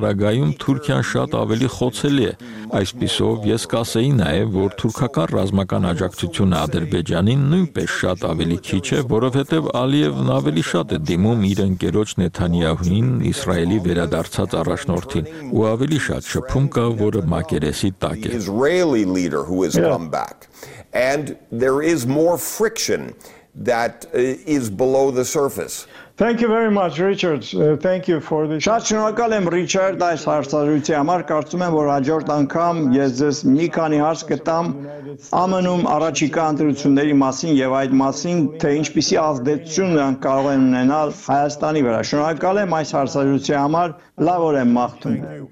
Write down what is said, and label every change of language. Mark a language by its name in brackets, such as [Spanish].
[Armenian] պարագայում Թուրքիան շատ ավելի խոցել է։ Այսպիսով ես կասեի նաև, որ թուրքական ռազմական աջակցությունը Ադրբեջանին նույնպես շատ ավելի քիչ է, որովհետև Ալիևն ավելի շատ է դիմում իր ընկերոջ Նեթանյահուին, Իսրայելի վերադարձած առաջնորդին, ու ավելի շատ շփում կա, որը մակերեսի տակ է։ [English] And there is more friction that is below the surface. Thank you very much, Richard. Thank you for this. [Armenian] Շատ շնորհակալ եմ, Ռիչարդ, այս հարցազրույցի համար։ Կարծում եմ, որ հաջորդ անգամ ես ձեզ մի քանի հարց կտամ ԱՄՆ-ում առաջիկա ընտրությունների մասին եւ այդ մասին, թե ինչպիսի ազդեցություն են կարող են ունենալ Հայաստանի վրա։ Շնորհակալ եմ այս հարցազրույցի համար։ Լավ օր եմ մաղթում։